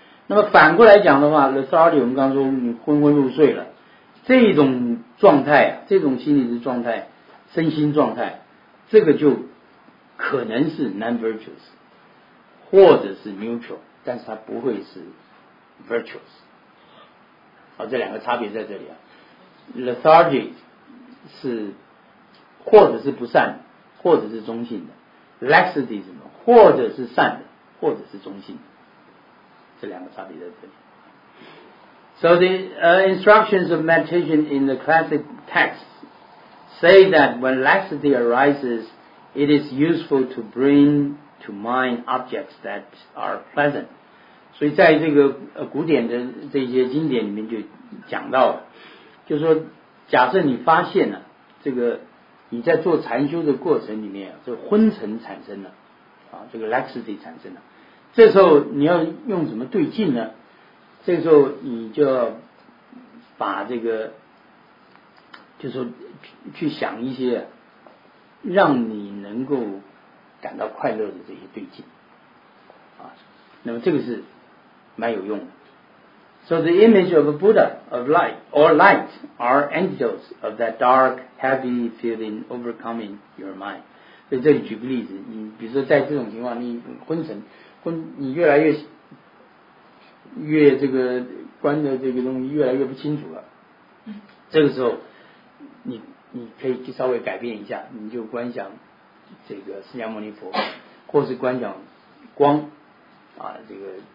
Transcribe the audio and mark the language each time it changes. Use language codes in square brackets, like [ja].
[zh] 那么反过来讲的话 ，lethargy 我们刚说你昏昏入睡了，这种状态，这种心理的状态、身心状态，这个就可能是 non-virtuous 或者是 neutral， 但是它不会是 virtuous。好，这两个差别在这里啊。 Lethargy 是或者是不善。或者是中性的 laxity 什么，或者是善的，或者是中性的，这两个差别在这里。 [en] So the instructions of meditation in the classic texts say that when laxity arises, it is useful to bring to mind objects that are pleasant. [zh] 所以在这个古典的这些经典里面就讲到了，就是说，假设你发现了这个。你在做禅修的过程里面，这昏沉产生了，啊，这个 laxity 产生了。这时候你要用什么对境呢？这时候你就要把这个，就是说 去想一些让你能够感到快乐的这些对境，啊，那么这个是蛮有用的。 [en] So the image of a Buddha of light or light are antidotes of that dark, heavy feeling overcoming your mind. [zh] 所以这里举个例子，你比如说在这种情况，你昏沉，你越来越这个观的这个东西越来越不清楚了。这个时候，你可以稍微改变一下，你就观想这个释迦牟尼佛，或是观想光啊，这个。